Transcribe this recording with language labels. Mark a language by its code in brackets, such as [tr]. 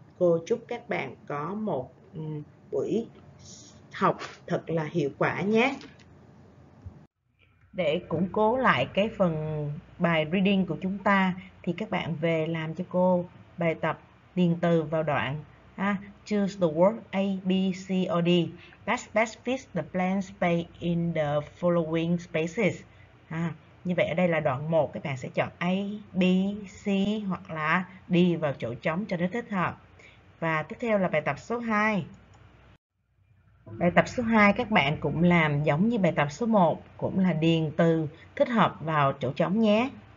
[vi] Cô chúc các bạn có một buổi học thật là hiệu quả nhé. Để củng cố lại cái phần bài reading của chúng ta thì các bạn về làm cho cô bài tập điền từ vào đoạn ha. [en] Choose the word A, B, C, or D. Best fits the blank space in the following spaces. [vi] Như vậy ở đây là đoạn 1, các bạn sẽ chọn A, B, C hoặc là D vào chỗ trống cho nó thích hợp. Và tiếp theo là bài tập số 2. Bài tập số 2 các bạn cũng làm giống như bài tập số 1, cũng là điền từ thích hợp vào chỗ trống nhé.